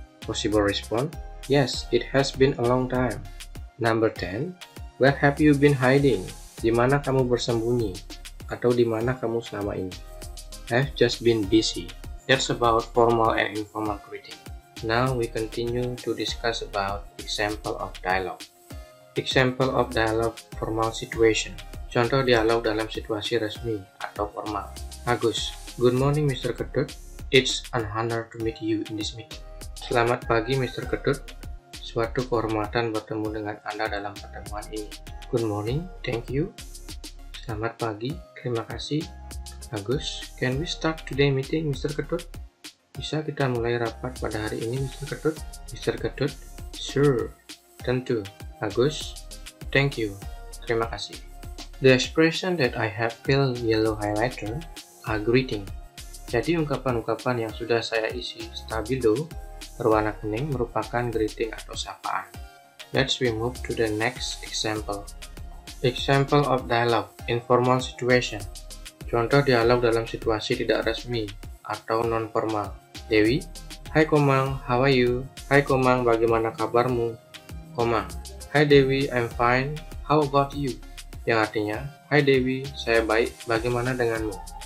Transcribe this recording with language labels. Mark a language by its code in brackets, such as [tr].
[en] Possible response, yes, it has been a long time. Number 10, where have you been hiding? [id] Di mana kamu bersembunyi? Atau di mana kamu selama ini? [en] I've just been busy. That's about formal and informal greeting. Now we continue to discuss about example of dialogue. Example of dialogue formal situation. [id] Contoh dialog dalam situasi resmi atau formal. [en] Agus, good morning Mr. Kedut. It's an honor to meet you in this meeting. [id] Selamat pagi Mr. Kedut. Suatu kehormatan bertemu dengan Anda dalam pertemuan ini. [en] Good morning, thank you. [id] Selamat pagi, terima kasih. [en] Agus, can we start today meeting Mr. Kedut? [id] Bisa kita mulai rapat pada hari ini Mr. [en] Kedut? Mr. Kedut, sure, [id] tentu. [en] Agus, thank you, [id] terima kasih. [en] The expression that I have filled yellow highlighter are greeting. [id] Jadi ungkapan-ungkapan yang sudah saya isi stabilo berwarna kuning merupakan greeting atau sapaan. [en] Let's we move to the next example. Example of dialogue, informal situation. [id] Contoh dialog dalam situasi tidak resmi atau non-formal. [en] Dewi, hi Komang, how are you? Hi Komang, [id] bagaimana kabarmu? [en] Komang, hi Dewi, I'm fine, how about you? [id] Yang artinya, hi Dewi, saya baik, bagaimana denganmu?